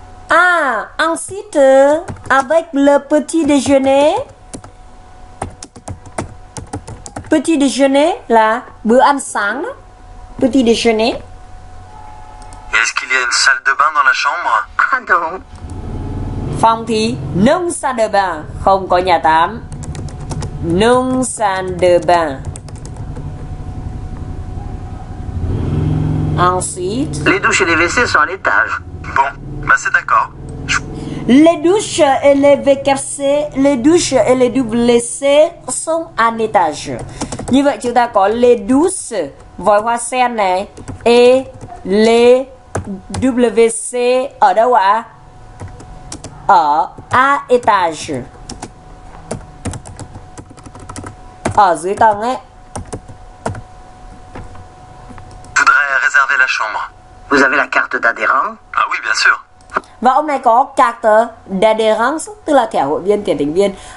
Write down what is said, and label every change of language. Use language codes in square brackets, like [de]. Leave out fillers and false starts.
[fr] Ah, ensuite, avec le petit déjeuner. Petit déjeuner, là, [vi] bữa ăn sáng. [fr] Petit déjeuner. Est-ce qu'il y a une salle de bain dans la chambre? Ah non. [vi] Phòng thì non salle de bain, không có nhà tắm. [fr] Non salle de bain. Ensuite. Les douches et les WC sont à l'étage. Bon, ben c'est d'accord. Les douches et les WC sont à l'étage. [vi] Như vậy chúng ta có les douches, vòi hoa sen này, et les WC ở đâu ạ? Ở à étage. Ở dưới tầng ấy. [fr] Voudrais réserver la chambre. Vous avez la carte d'adhérent? Ah oui, bien sûr. [vi] Và ông này có carte d'adhérence, tức là thẻ hội viên, thẻ thành viên.